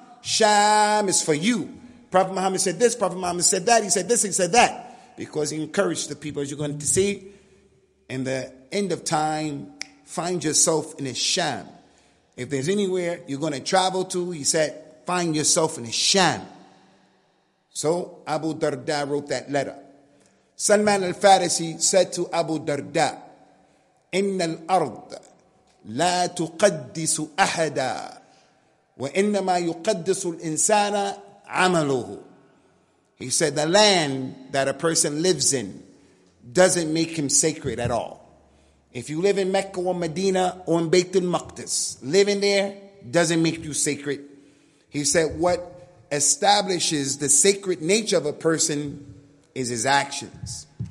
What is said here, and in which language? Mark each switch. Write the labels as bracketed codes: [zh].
[en] Sham is for you. Prophet Muhammad said this, Prophet Muhammad said that, he said this, he said that. Because he encouraged the people, as you're going to see, in the end of time, find yourself in a Sham. If there's anywhere you're going to travel to, he said, find yourself in a Sham. So Abu Darda wrote that letter. Salman al-Farisi said to Abu Darda, [ar] إِنَّ الْأَرْضَ لَا تُقَدِّسُ أَحَدًا وَإِنَّمَا يُقَدِّسُ الْإِنسَانَ عَمَلُهُ. [en] He said, the land that a person lives in doesn't make him sacred at all. If you live in Mecca or Medina or in Bayt al-Maqdis, living there doesn't make you sacred. He said, what establishes the sacred nature of a person is his actions.